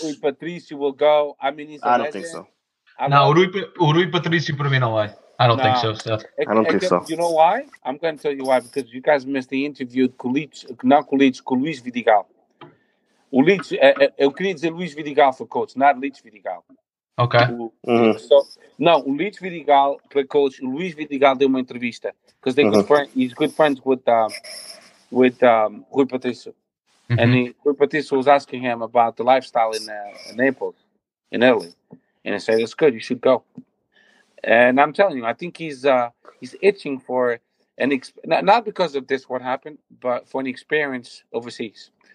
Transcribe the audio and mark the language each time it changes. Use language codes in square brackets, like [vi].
[en] Rui Patricio will go. I mean, he's a legend. I don't think so. Rui Patricio for me, no way. I don't think so, Steph. You know why? I'm going to tell you why. Because you guys missed the interview with Luis Vidigal. [pt] Eu queria dizer Luis Vidigal [en] for coach, not [pt] Leeds Vidigal. [en] Okay. [pt] O Leeds Vidigal [en] for coach, [pt] Luis Vidigal deu uma entrevista. [en] Because he's good friends with Rui Patricio. Mm-hmm. And Rui Patricio was asking him about the lifestyle in Naples, in Italy. And he said, it's good. You should go. And I'm telling you, I think he's itching for an experience. Not because of this, what happened, but for an experience overseas.